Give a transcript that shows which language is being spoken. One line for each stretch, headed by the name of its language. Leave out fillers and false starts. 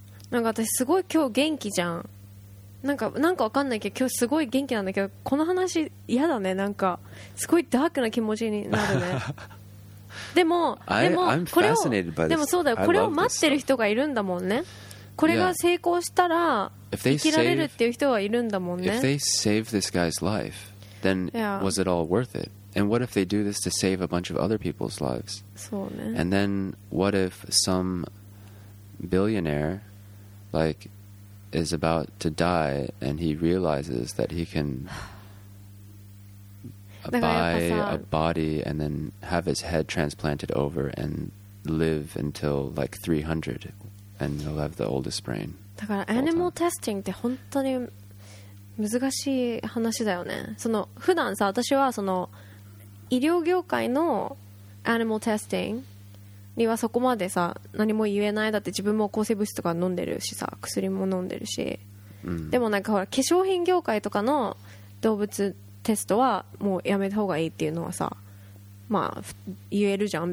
Japanese: なんか私すごい今日元気じゃん。なんかわかんないけど今日すごい元気なんだけど、この話嫌だね。なんかすごいダークな気持ちになるね。でもこれを、でもそうだよ、これを待ってる人がいるんだもんね。これが成功したら生きられるっていう人はいるんだもんね。
English: If they save this guy's life, then was it all worth it? And what if they do this to save a bunch of other people's lives?
Japanese: そうね。
English: And then what if some billionaire like is about to die and he realizes that he can buy a body and then have his head transplanted over and live until like 300 and he'll have the oldest brain.
Japanese: だからアニマルテスティングって本当に難しい話だよね。その普段さ、私はその医療業界のアニマルテスティングにはそこまでさ何も言えない。だって自分も抗生物質とか飲んでるしさ、薬も飲んでるし、でもなんかほら化粧品業界とかの動物テストはもうやめた方がいいっていうのはさ、まあ言えるじゃん。